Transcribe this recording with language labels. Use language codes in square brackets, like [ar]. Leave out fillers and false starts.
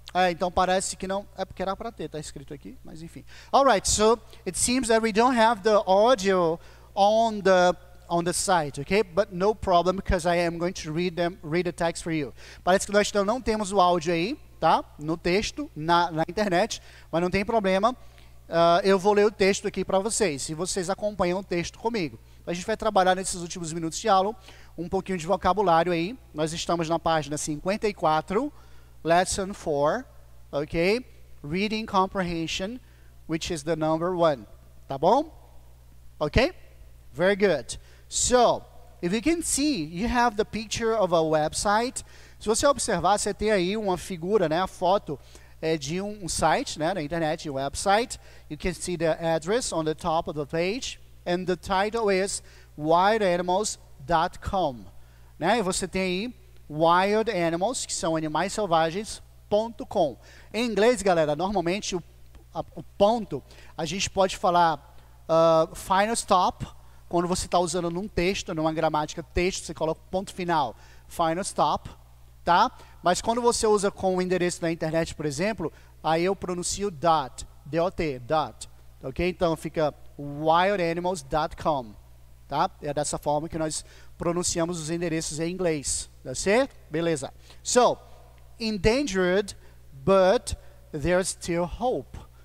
[pt] Então parece que não. É porque era para ter, tá escrito aqui, mas enfim. [en] All right, so it seems that we don't have the audio on the site, okay? But no problem, because I am going to read them, read the text for you. [pt] Parece que nós não temos o áudio aí, tá? No texto, na internet, mas não tem problema. Eu vou ler o texto aqui para vocês, se vocês acompanham o texto comigo. A gente vai trabalhar nesses últimos minutos de aula um pouquinho de vocabulário aí. Nós estamos na página 54, Lesson 4, ok? [en] Reading Comprehension, which is the number 1. [pt] Tá bom? [en] Ok? Very good. So, if you can see, you have the picture of a website. [pt] Se você observar, você tem aí uma figura, né? A foto é de um site, né? Na internet, um website. [en] You can see the address on the top of the page. And the title is wildanimals.com, né? [pt] E você tem aí wildanimals, que são animais selvagens.com. Em inglês, galera, normalmente o ponto, a gente pode falar final stop, quando você está usando num texto, numa gramática texto, você coloca ponto final, final stop, tá? Mas quando você usa com o endereço na internet, por exemplo, aí eu pronuncio dot, D-O-T, dot. Ok? Então fica wildanimals.com, tá? É dessa forma que nós pronunciamos os endereços em inglês. Tá certo? Beleza. [en] So, endangered, but there's still hope.